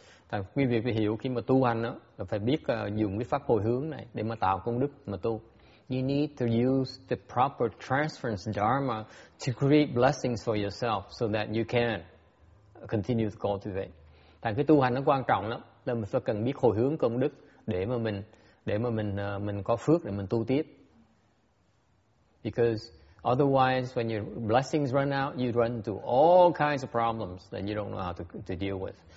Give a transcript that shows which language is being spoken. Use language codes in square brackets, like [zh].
[vi] Thành quý vị phải hiểu khi mà tu hành đó, phải biết dùng cái pháp hồi hướng này để mà tạo công đức mà tu. [en] You need to use the proper transference dharma to create blessings for yourself so that you can continue to cultivate. [vi] Thành cái tu hành nó quan trọng lắm, là mình phải cần biết hồi hướng công đức để mà mình có phước để mình tu tiếp. [en] Because otherwise, when your blessings run out, you run into all kinds of problems that you don't know how to deal with.